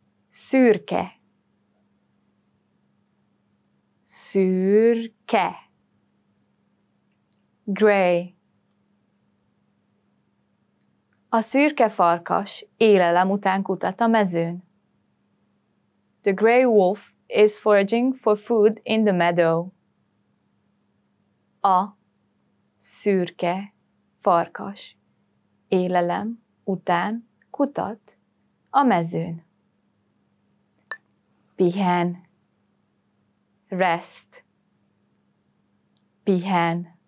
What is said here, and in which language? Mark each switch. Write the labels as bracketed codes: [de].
[hu] Szürke. Szürke. [en] Gray. [hu] A szürke farkas élelem után kutat a mezőn. [en] The gray wolf is foraging for food in the meadow. [hu] A szürke farkas élelem után kutat a mezőn. Pihen. Rest. Pihen.